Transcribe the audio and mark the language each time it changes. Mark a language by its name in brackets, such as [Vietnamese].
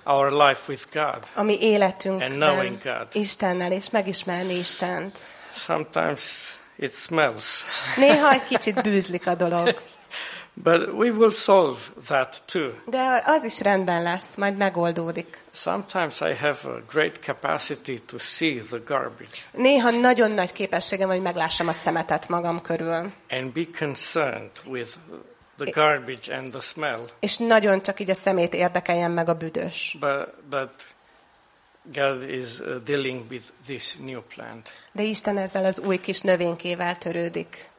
[English] Our life with God. [Hungarian] A mi életünkben. [English] And knowing God. [Hungarian] Istennel, és megismerni Istent. [English] Sometimes it smells. [Hungarian] Néha egy kicsit bűzlik a dolog. [English] But we will solve that too. [Hungarian] De az is rendben lesz, majd megoldódik. [English] Sometimes I have a great capacity to see the garbage. [Hungarian] Néha nagyon nagy képességem, hogy meglássam a szemetet magam körül. [English] And be concerned with the garbage and the smell. [Hungarian] És nagyon csak így a szemét érdekeljen meg a büdös. [English] But God is dealing with this new plant. [Hungarian] De Isten ezzel az új kis növénykével törődik.